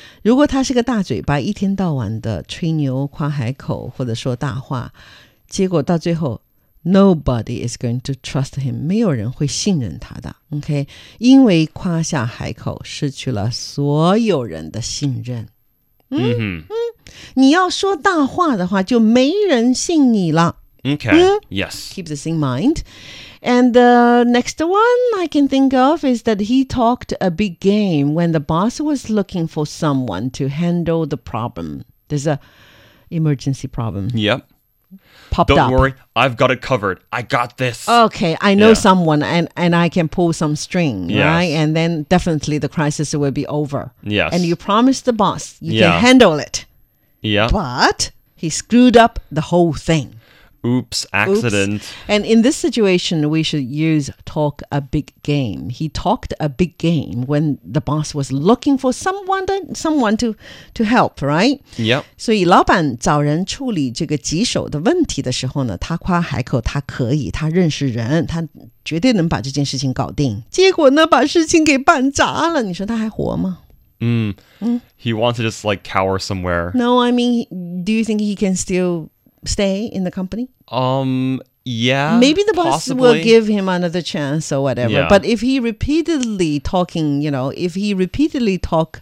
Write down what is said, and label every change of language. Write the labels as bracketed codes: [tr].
[zh] 如果他是个大嘴巴，一天到晚的吹牛，夸海口，或者说大话，结果到最后 ， [en] nobody is going to trust him. [zh] 没有人会信任他的。 OK， 因为夸下海口，失去了所有人的信任。你要说大话的话就没人信你了。 [en] Okay, yes. Keep this in mind. And the next one I can think of is that he talked a big game when the boss was looking for someone to handle the problem. There's an emergency problem. Yep. Popped Don't up. Don't worry, I've got it covered. I got this. Okay, I know someone and I can pull some string, right? And then definitely the crisis will be over. Yes. And you promise the boss you can handle it. Yeah. But he screwed up the whole thing. Oops, accident. Oops. And in this situation, we should use talk a big game. He talked a big game when the boss was looking for someone to help, right? Yep. [zh] 所以老板找人处理这个棘手的问题的时候呢，他夸海口他可以，他认识人，他绝对能把这件事情搞定。结果呢，把事情给办砸了，你说他还活吗？ [en] He wants to just like cower somewhere. No, I mean, do you think he can still... stay in the company? Yeah. Maybe the boss、 possibly. Will give him another chance or whatever.、 Yeah. But if he repeatedly talking, you know, if he repeatedly talk...